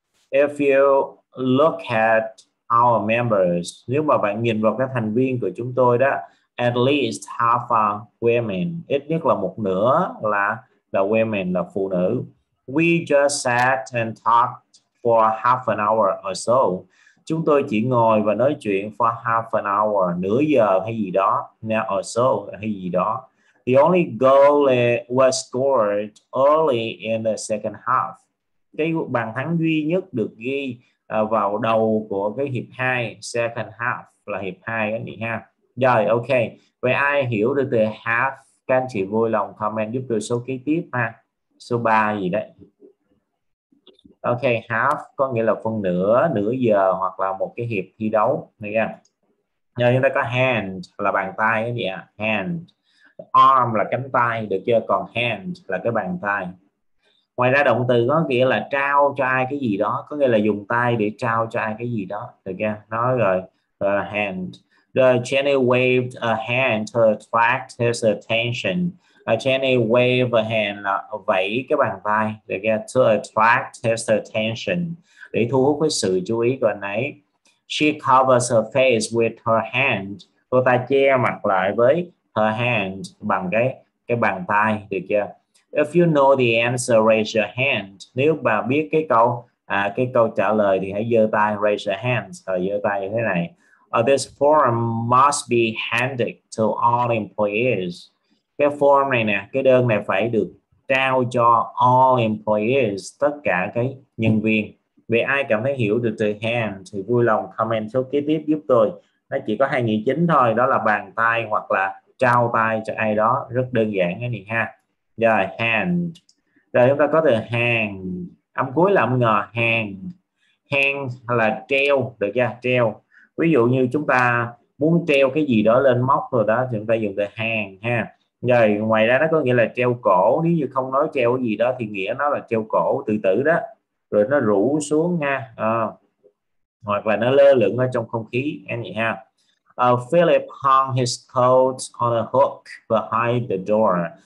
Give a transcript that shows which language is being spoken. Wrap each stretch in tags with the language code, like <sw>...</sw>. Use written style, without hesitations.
<en>If you look at our members,</en> <vi>nếu mà bạn nhìn vào các thành viên của chúng tôi đó,</vi> <en>at least half are women,</en> <vi>ít nhất là một nửa là</vi> <en>women,</en> <vi>là phụ nữ.</vi> <en>We just sat and talked for half an hour or so.</en> <vi>Chúng tôi chỉ ngồi và nói chuyện</vi> <en>for half an hour,</en> <vi>nửa giờ hay gì đó,</vi> <en>now or so</en> <vi>hay gì đó.</vi> <en>The only goal was scored early in the second half.</en> <vi>Cái bàn thắng duy nhất được ghi vào đầu của cái hiệp 2,</vi> <en>second half</en> <vi>là hiệp 2 anh chị ha. Rồi, ok. Vậy ai hiểu được từ half, các anh chị vui lòng comment giúp tôi số kế tiếp ha. Số 3 gì đấy. Ok, half có nghĩa là phân nửa, nửa giờ hoặc là một cái hiệp thi đấu. Nghe chưa? Rồi chúng ta có hand là bàn tay cái gì ạ? Hand. Arm là cánh tay, được chưa? Còn hand là cái bàn tay. Ngoài ra động từ có nghĩa là trao cho ai cái gì đó, có nghĩa là dùng tay để trao cho ai cái gì đó. Được chưa? Nói rồi. Hand.</vi> <en>The Jenny waved a hand to attract his attention. Jenny waved a hand</en> <vi>là vẫy cái bàn tay, để</vi> <en>get to attract his attention,</en> <vi>để thu hút cái sự chú ý của anh ấy.</vi> <en>She covers her face with her hand.</en> <vi>Cô ta che mặt lại với</vi> <en>her hand,</en> <vi>bằng cái bàn tay, được chưa?</vi> <en>If you know the answer, raise your hand.</en> <vi>Nếu bà biết cái câu trả lời thì hãy giơ tay,</vi> <en>raise your hand,</en> <vi>giơ tay như thế này.</vi> <en>This form must be handed to all employees.</en> <vi>Cái form này nè, cái đơn này phải được trao cho</vi> <en>all employees,</en> <vi>tất cả cái nhân viên. Vậy ai cảm thấy hiểu được từ hand thì vui lòng comment số kế tiếp giúp tôi. Nó chỉ có hai nghĩa chính thôi, đó là bàn tay hoặc là trao tay cho ai đó, rất đơn giản cái này ha. Rồi hand. Rồi chúng ta có từ hang, âm cuối là âm ngờ, hang. Hang là treo, được chưa? Treo. Ví dụ như chúng ta muốn treo cái gì đó lên móc rồi đó thì chúng ta dùng từ hang ha. Rồi ngoài ra nó có nghĩa là treo cổ, nếu như không nói treo cái gì đó thì nghĩa nó là treo cổ tự tử đó, rồi nó rủ xuống nha, hoặc là nó lơ lửng ở trong không khí anh chị ha.</vi> <en>Philip hung his coat on a hook behind the door.</en>